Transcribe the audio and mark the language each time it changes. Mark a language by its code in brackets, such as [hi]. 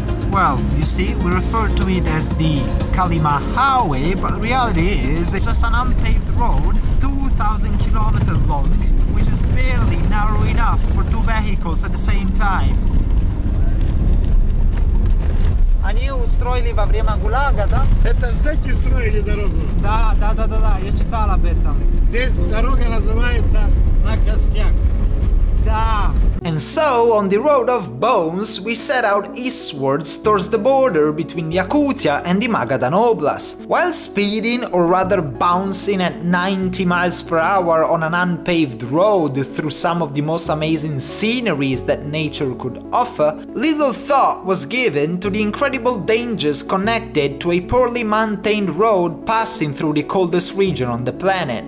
[en] Well, you see, we refer to it as the Kolyma Highway, but the reality is it's just an unpaved road 2,000 5,000 kilometers long, which is barely narrow enough for two vehicles at the same time. [ru] Они устроили во время ГУЛАГа, да? Это зэки строили дорогу? Да, да, да, да, да. Я читал об этом. Здесь дорога называется на костях. Да. [en] And so, on the road of bones, we set out eastwards towards the border between Yakutia and the Magadan Oblast. While speeding, or rather bouncing at 90 miles per hour on an unpaved road through some of the most amazing sceneries that nature could offer, little thought was given to the incredible dangers connected to a poorly maintained road passing through the coldest region on the planet.